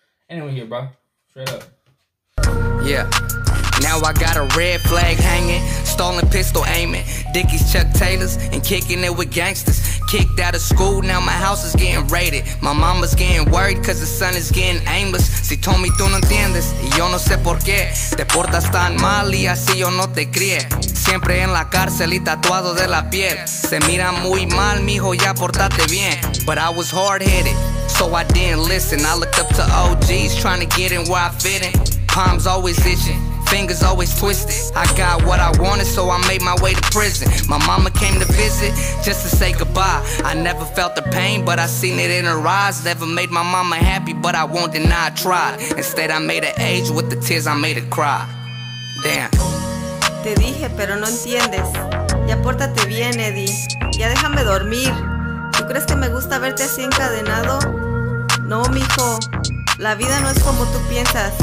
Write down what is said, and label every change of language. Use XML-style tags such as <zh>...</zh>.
<en>Anyone here, bro. Straight up. Yeah. Now I got a red flag hanging, stolen pistol aiming, Dickies, Chuck Taylors, and kicking it with gangsters. Kicked out of school, now my house is getting raided. My mama's getting worried cause the son is getting aimless.</en> <es>Si Tommy, tú no entiendes, y yo no sé por qué. Te portas tan mal y así yo no te crié. Siempre en la cárcel y tatuado de la piel. Se mira muy mal, mijo, ya portate bien.</es> <en>But I was hard-headed, so I didn't listen. I looked up to OGs, trying to get in where I fit in. Palms always itching, fingers always twisted. I got what I wanted, so I made my way to prison. My mama came to visit, just to say goodbye. I never felt the pain, but I seen it in her eyes. Never made my mama happy, but I won't deny I tried. Instead, I made her age with the tears, I made her cry. Damn.</en> <es>Te dije, pero no entiendes. Ya pórtate bien, Eddy. Ya déjame dormir. ¿Tú crees que me gusta verte así encadenado? No, mijo. La vida no es como tú piensas.</es>